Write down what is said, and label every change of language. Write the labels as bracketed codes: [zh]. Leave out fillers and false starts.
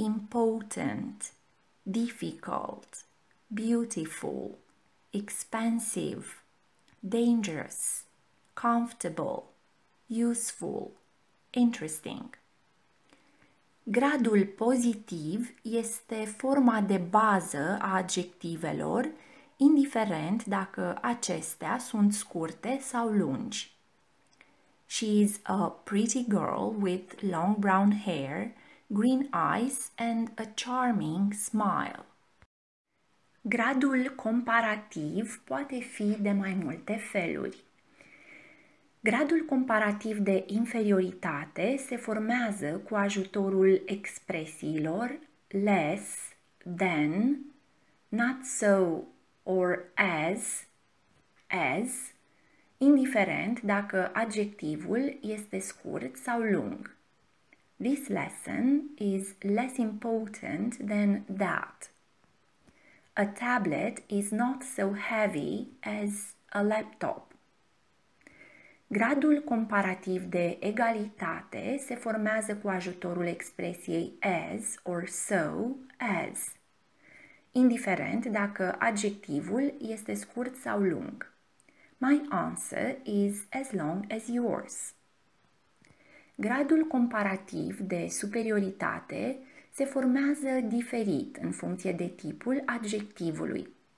[en] Important, difficult, beautiful, expensive, dangerous, comfortable, useful, interesting. [ro] Gradul pozitiv este forma de bază a adjectivelor, indiferent dacă acestea sunt scurte sau lungi. [en] She is a pretty girl with long brown hair, green eyes, and a charming smile. [ro] Gradul comparativ poate fi de mai multe feluri. Gradul comparativ de inferioritate se formează cu ajutorul expresiilor less, than, not so, or as, indiferent dacă adjectivul este scurt sau lung. [en] This lesson is less important than that. A tablet is not so heavy as a laptop. [ro] Gradul comparativ de egalitate se formează cu ajutorul expresiei as or so as, indiferent dacă adjectivul este scurt sau lung. [en] My answer is as long as yours. [ro] Gradul comparativ de superioritate se formează diferit în funcție de tipul adjectivului.